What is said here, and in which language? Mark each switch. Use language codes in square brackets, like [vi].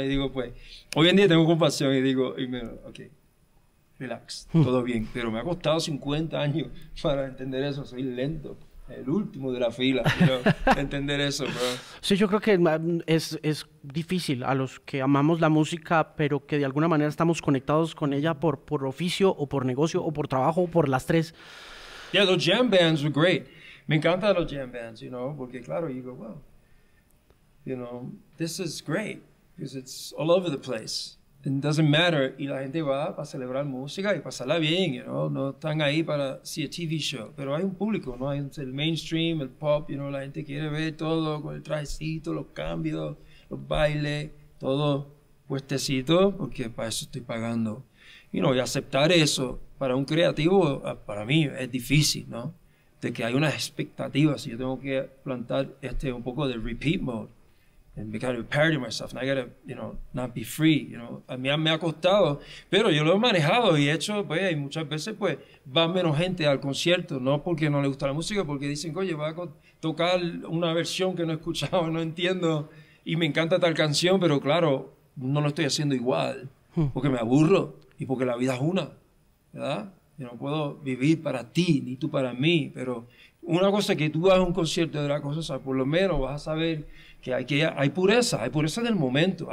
[es] Y digo, pues, hoy en día tengo compasión y digo, ok, relax, todo bien, pero me ha costado 50 años para entender eso. Soy lento, el último de la fila, entender eso, bro. Sí, yo creo que es difícil a los que amamos la música, pero que de alguna manera estamos conectados con ella por oficio o por negocio o por trabajo o por las tres. [en] Yeah, los jam bands were great. [es] Me encantan los jam bands, porque claro, [en] you go, well, this is great, because it's all over the place. It doesn't matter. [es] Y la gente va para celebrar música y pasarla bien, No están ahí para [en] see a TV show. [es] Pero hay un público, ¿no? Hay el mainstream, el pop, la gente quiere ver todo con el trajecito, los cambios, los bailes, todo puestecito, porque para eso estoy pagando. Y no, y aceptar eso para un creativo, para mí es difícil, ¿no? De que hay unas expectativas, si yo tengo que plantar este un poco de repeat mode. [en] And become a part of myself, and I gotta, you know, not be free, you know. [es] A mí me ha costado, pero yo lo he manejado y he hecho, pues, y muchas veces, pues, va menos gente al concierto, no porque no le gusta la música, porque dicen, oye, va a tocar una versión que no he escuchado, no entiendo, y me encanta tal canción, pero claro, no lo estoy haciendo igual, porque me aburro, y porque la vida es una, ¿verdad? Yo no puedo vivir para ti, ni tú para mí, pero una cosa que tú vas a un concierto de la cosa, o sea, por lo menos vas a saber que hay pureza del momento.